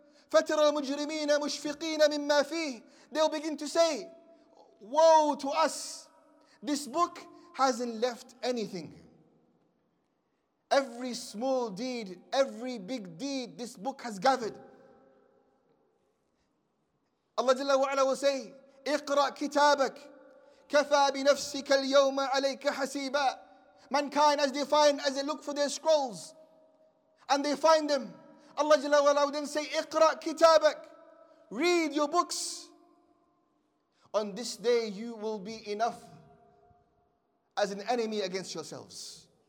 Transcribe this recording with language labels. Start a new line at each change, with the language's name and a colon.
Arabic: فَتَرَى الْمُجْرِمِينَ مُشْفِقِينَ مِمَّا فِيهِ
English: They will begin to say, Woe to us! This book hasn't left anything. Every small deed, every big deed, this book has gathered. Allah Jalla wa Ala will say,
Arabic: اقرأ كتابك كفى بنفسك اليوم عليك حسيبا.
English: Mankind, as they find, as they look for their scrolls, and they find them, Allah Jalla wa Ala will then say,
Arabic: اقرأ كتابك
English: Read your books. On this day, you will be enough as an enemy against yourselves.